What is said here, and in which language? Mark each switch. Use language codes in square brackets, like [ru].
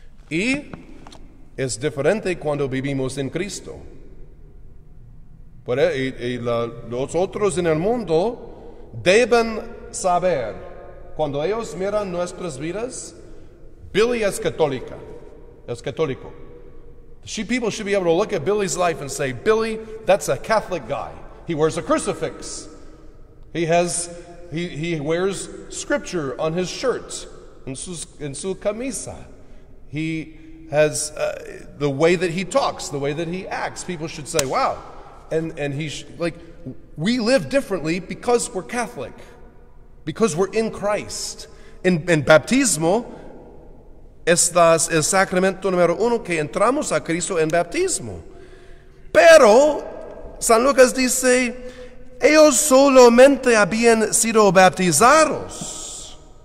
[es] Y es diferente cuando vivimos en Cristo. Pero, los otros en el mundo deben saber, cuando ellos miran nuestras vidas, Billy es católica. Es católico. [en] People should be able to look at Billy's life and say, Billy, that's a Catholic guy. He wears a crucifix. He wears scripture on his shirt, [es] en su camisa. [en] He has the way that he talks, the way that he acts. People should say, wow. And we live differently because we're Catholic, because we're in Christ. [es] In baptismo, este es el sacramento número uno que entramos a Cristo en bautismo. Pero, San Lucas dice, ellos solamente habían sido bautizados.